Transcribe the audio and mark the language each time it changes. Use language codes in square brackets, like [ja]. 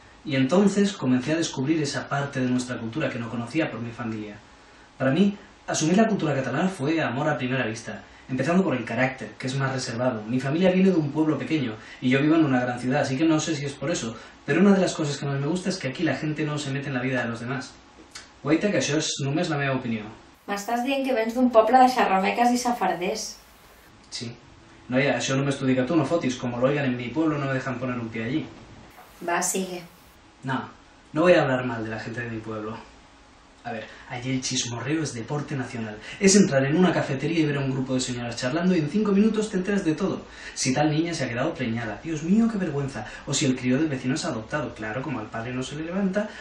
[es] Y entonces comencé a descubrir esa parte de nuestra cultura que no conocía por mi familia. Para mí, asumir la cultura catalana fue amor a primera vista, empezando por el carácter, que es más reservado. Mi familia viene de un pueblo pequeño y yo vivo en una gran ciudad, así que no sé si es por eso, pero una de las cosas que más me gusta es que aquí la gente no se mete en la vida de los demás. [ca] Guaita, que això és només la meva opinió. M'estàs dient que vens d'un poble de xerrameques i safarders. Sí. Noia, això només t'ho dic a tu, no fotis. [es] Como lo oigan en mi pueblo, no me dejan poner un pie allí. Va, sigue. No, no voy a hablar mal de la gente de mi pueblo. A ver, allí el chismorreo es deporte nacional. Es entrar en una cafetería y ver a un grupo de señoras charlando y en 5 minutos te enteras de todo. Si tal niña se ha quedado preñada, Dios mío, qué vergüenza. O si el crío del vecino es adoptado, claro, como al padre no se le levanta.